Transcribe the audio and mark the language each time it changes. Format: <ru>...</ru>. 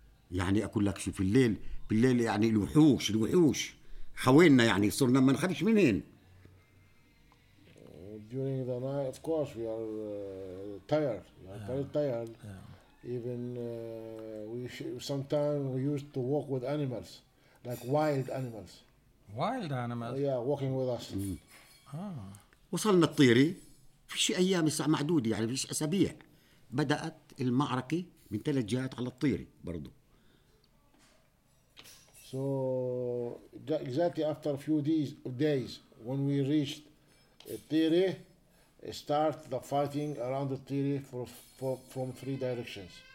<ar>يعني أقول لك شو في الليل يعني الوحوش حوالينا يعني صرنا ما نخافش منين.</ar> <en>During the night, of course, we are tired. Very tired. Yeah. Even we used to walk with animals, like wild animals. Wild animals. Yeah, walking with us.</en> <ar>وصلنا الطيري. فيش أيام ساعة معدودة يعني فيش أسابيع. بدأت المعركة من ثلاث جهات على الطيري برضو.</ar> <en>So exactly after a few days when we reached الطيري. Start the fighting around the Tiri from three directions.</en>